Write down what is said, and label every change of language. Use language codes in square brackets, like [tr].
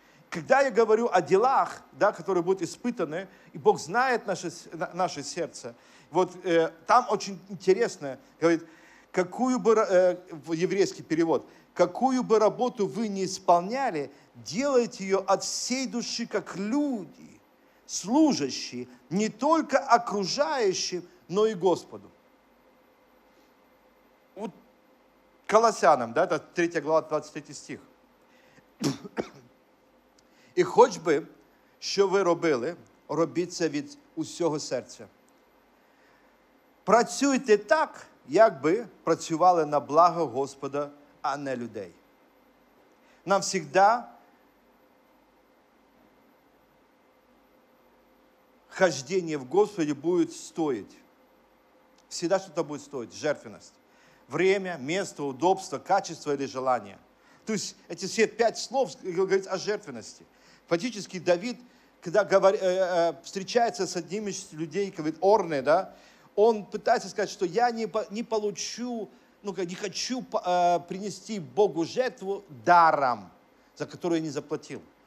[ru] Когда я говорю о делах, да, которые будут испытаны, и Бог знает наше сердце, вот там очень интересно, говорит, какую бы, еврейский перевод, какую бы работу вы ни исполняли, делайте ее от всей души, как люди, служащие не только окружающим, но и Господу. Вот Колоссянам, да, это 3 глава, 23 стих. [uk] И хоч бы, что вы робили, робіться від усього серця. Працюйте так, як би працювали на благо Господа, а не людей. [ru] Нам всегда хождение в Господе будет стоить. Всегда что-то будет стоить. Жертвенность. Время, место, удобство, качество или желание. То есть эти все пять слов говорят о жертвенности. Фактически Давид, когда встречается с одним из людей, говорит, Орне, да, он пытается сказать, что я не получу, не хочу принести Богу жертву даром, за которую я не заплатил.